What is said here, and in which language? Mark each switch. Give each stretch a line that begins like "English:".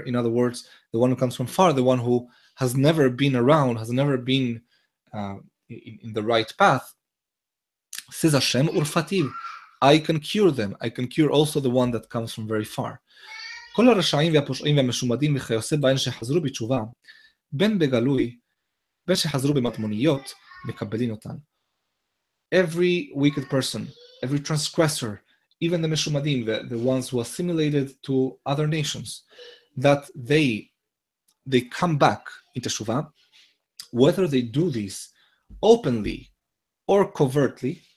English: In other words, the one who comes from far, the one who has never been around, has never been in the right path, says Hashem Urfatil, I can cure them. I can cure also the one that comes from very far.
Hebrew: כל הרשעים והפושעים והמשומדים וכיוסי בהן שחזרו בתשובה, בין בגלוי, בין שחזרו במטמוניות, מקבלים אותן.
English: Every wicked person, every transgressor, even the משומדים, the ones who assimilated to other nations, that they come back into תשובה, whether they do this openly, or covertly.